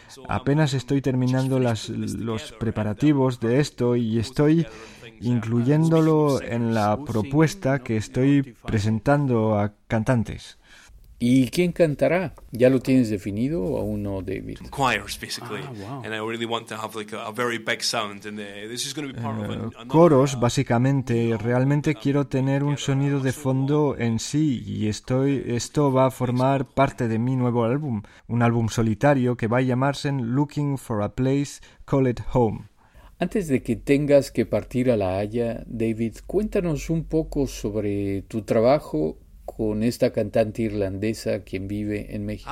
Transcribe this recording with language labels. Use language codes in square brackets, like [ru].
[es] Apenas estoy terminando los preparativos de esto y estoy incluyéndolo en la propuesta que estoy presentando a cantantes. ¿Y quién cantará? ¿Ya lo tienes definido o aún no, David? [en] Choirs, basically. Ah, wow. And I really want to have like a very big sound. And this is going to be part of [es] coros, básicamente. Realmente quiero tener un sonido de fondo en sí y esto va a formar parte de mi nuevo álbum, un álbum solitario que va a llamarse Looking for a Place, Call It Home. Antes de que tengas que partir a La Haya, David, cuéntanos un poco sobre tu trabajo con esta cantante irlandesa quien vive en México.